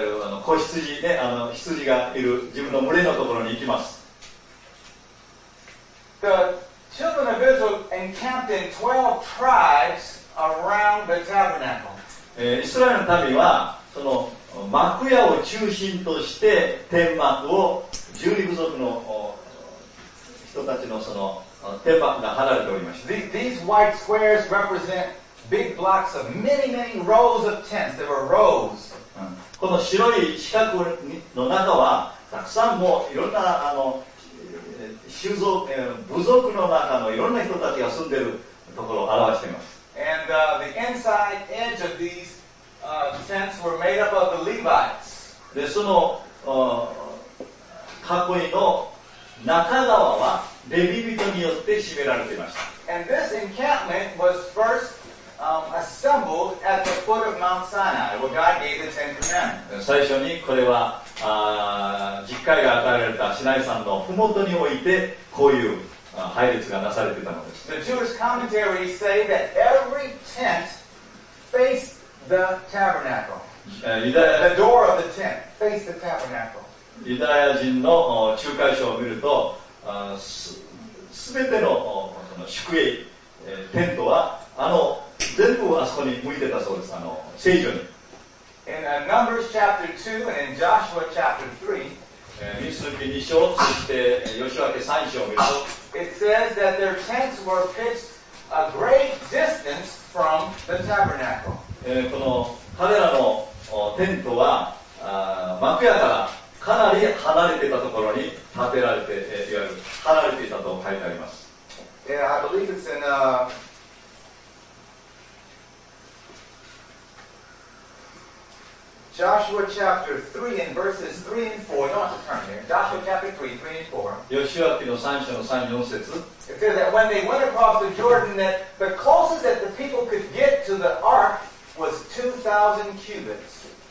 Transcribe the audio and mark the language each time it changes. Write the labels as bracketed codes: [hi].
[ja] あの子羊ね、あの羊がいる自分の群れのところに行きます。 [en] The children of Israel encamped in 12 tribes around the tabernacle. [ja] イスラエルの民はその幕屋を中心として天幕を十二部族の人たちのその天幕が離れておりました。 [en] These white squares represent big blocks of many, many rows of tents. There were rows.、うん、 [ja] この白い四角の中はたくさんもういろんなあの種族、部族の中のいろんな人たちが住んでいるところを表しています。 [en] And、the inside edge of theseTents were made up of the Levites. [ja] でその囲いの中側はレビ人によって占められていました。 [en] And this encampment was first、assembled at the foot of Mount Sinai, where God gave the Ten Commandments. [ja] 最初にこれは十戒が与えられたシナイ山の麓においてこういう配列がなされていたのです。 [en] The Jewish commentaries say that every tent facedThe tabernacle. The door of the tent faced the tabernacle. [ja] ユダヤ人の仲介書を見ると、すべての宿営、テントは全部あそこに向いてたそうです。聖所に。 [en] In Numbers chapter 2 and in Joshua chapter 3, [ja] 民数記2章、そして吉脇3章を見ると、 [en] It says that their tents were pitched a great distance from the tabernacle. [ja] この彼らのテントは幕屋からかなり離れていたところに建てられて、いわゆる離れていたと書いてあります。 [en] Yeah, I believe it's in Joshua chapter 3 and verses 3 and 4. Don't have to turn here. Joshua chapter 3, 3 and 4. [ja] ヨシュア記の3章の3、4節。 [en] It says that when they went across the Jordan that the closest that the people could get to the ark was 2,000 cubits.